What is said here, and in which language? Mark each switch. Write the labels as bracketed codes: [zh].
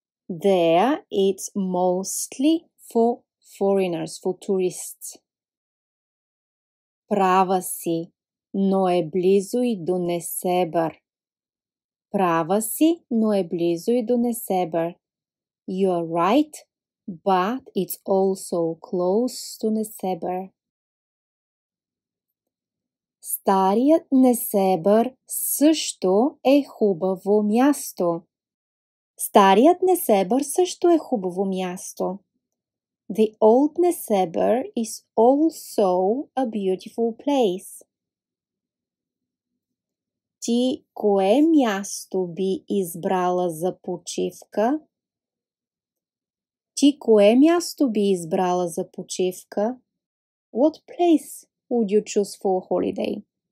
[en] There it's mostly for foreigners, for tourists. [bg] Права си, но е близо и до Несебър. Права си, но е близо и до Несебър. [en] You are right, but it's also close to Несебър. [bg] Старият Несебър също е хубаво място. Старият Несебър също е хубаво място. [en] The old Несебър is also a beautiful place. [bg] Ти кое място би избрала за почивка? Ти кое място би избрала за почивка? [en] What place would you choose for a holiday?